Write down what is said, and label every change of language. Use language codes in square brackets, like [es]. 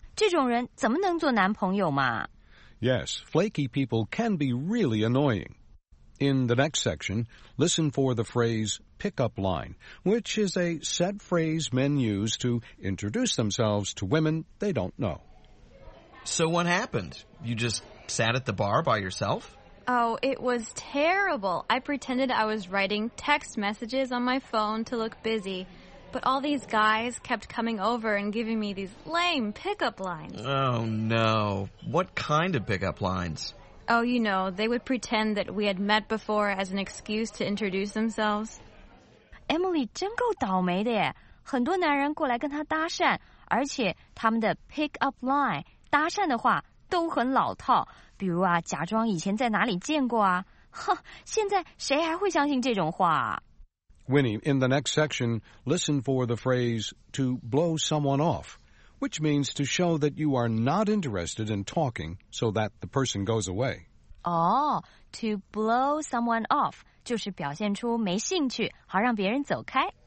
[zh] 这种人怎么能做男朋友嘛？ [en] Yes, flaky people can be really annoying. In the next section, listen for the phrase pickup line, which is a set phrase men use to introduce themselves to women they don't know. So what happened? You just sat at the bar by yourself? Oh, it was terrible. I pretended I was writing text messages on my phone to look busy, but all these guys kept coming over and giving me these lame pickup lines. Oh, no. What kind of pickup lines? Oh, you know, they would pretend that we had met before as an excuse to introduce themselves. [zh] Emily 真够倒霉的耶。很多男人过来跟她搭讪，而且他们的 pickup line, 搭讪的话都很老套，比如啊，假装以前在哪里见过啊，哼，现在谁还会相信这种话啊？ [en] Winnie, in the next section, listen for the phrase to blow someone off, which means to show that you are not interested in talking so that the person goes away. Oh, to blow someone off, [zh] 就是表现出没兴趣，好让别人走开。